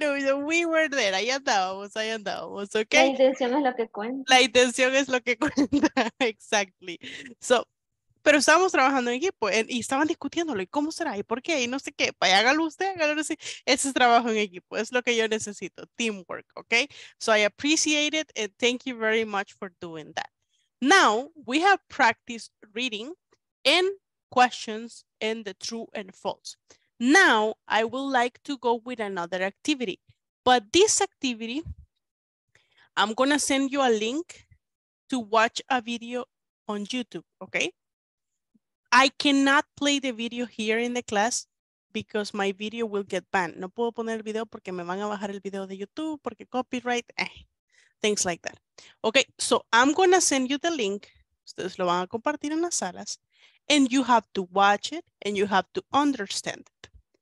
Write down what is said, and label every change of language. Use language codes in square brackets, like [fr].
[en] We were there, [es] ahí andábamos, [en] ok. [es] La intención es lo que cuenta. [en] Exactly. [es] So, pero estábamos trabajando en equipo y estaban discutiéndolo, y cómo será, y por qué, y no sé qué. Vaya, hágalo usted, sí. Ese es trabajo en equipo, es lo que yo necesito, teamwork, ok. [en] So I appreciate it and thank you very much for doing that. Now we have practiced reading and questions and the true and false. Now I would like to go with another activity, but this activity, I'm gonna send you a link to watch a video on YouTube, okay? I cannot play the video here in the class because my video will get banned. [es] No puedo poner el video porque me van a bajar el video de YouTube porque copyright, [en] things like that. Okay, so I'm gonna send you the link. [es] Ustedes lo van a compartir en las salas. [en] And you have to watch it and you have to understand it.